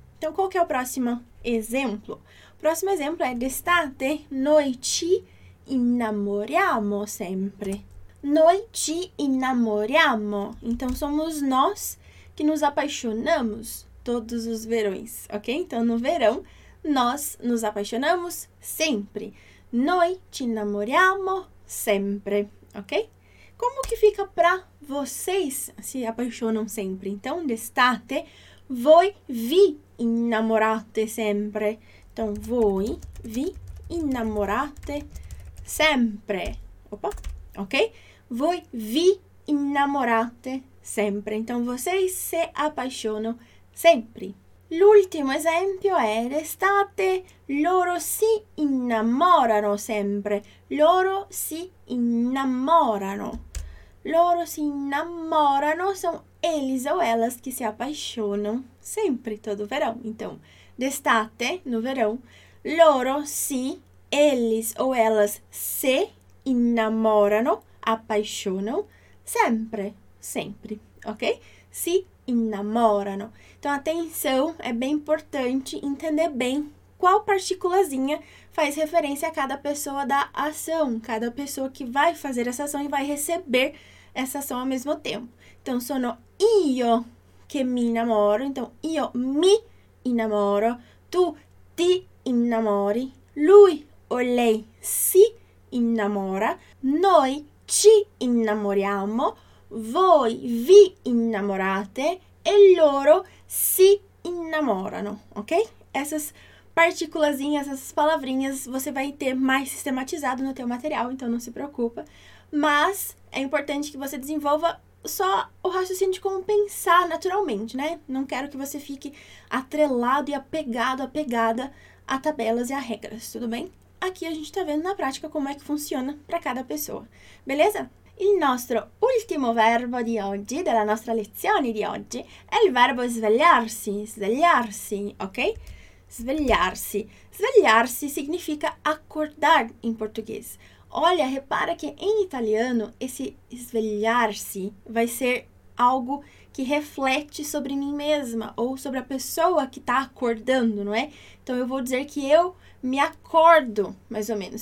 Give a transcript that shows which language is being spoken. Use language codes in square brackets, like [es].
[pt] Então, qual que é o próximo exemplo? O próximo exemplo é [it] d'estate, noi ci innamoriamo sempre. Noi ci innamoriamo. [pt] Então, somos nós que nos apaixonamos todos os verões, ok? Então, no verão, nós nos apaixonamos sempre. [it] Noi ci innamoriamo sempre, ok? [pt] Como que fica pra vocês se apaixonam sempre? [it] Então, d'estate, voi vi innamorate sempre. Então, voi vi innamorate sempre. Opa, ok? Voi vi innamorate sempre. [pt] Então, vocês se apaixonam sempre. [it] L'ultimo esempio è d'estate, loro si innamorano sempre. Loro si innamorano. Loro si innamorano, [pt] são eles ou elas que se apaixonam sempre, todo verão. Então, [it] d'estate, [pt] no verão, [it] loro si, [pt] eles ou elas se [it] innamorano, [pt] apaixonam sempre, sempre, ok? Si innamorano. Então, atenção, é bem importante entender bem qual partículazinha faz referência a cada pessoa da ação, cada pessoa que vai fazer essa ação e vai receber essa ação ao mesmo tempo. [it] Então, sono io que me innamoro, então, io mi innamoro, tu ti innamori, lui o lei si innamora, noi ci innamoriamo, voi vi innamorate e loro si innamorano, ok? [pt] Essas partículazinhas, essas palavrinhas, você vai ter mais sistematizado no teu material, então não se preocupa. Mas é importante que você desenvolva só o raciocínio de como pensar naturalmente, né? Não quero que você fique atrelado e apegado, apegada a tabelas e a regras, tudo bem? Aqui a gente está vendo na prática como é que funciona para cada pessoa, beleza? [it] Il nostro ultimo verbo di oggi, della nostra lezione di oggi, è il verbo svegliarsi, svegliarsi, ok? Svegliarsi. [pt] Svegliarsi significa acordar in português. Olha, repara que em italiano esse svegliarsi vai ser algo que reflete sobre mim mesma ou sobre a pessoa que está acordando, não é? Então eu vou dizer que eu me acordo, mais ou menos.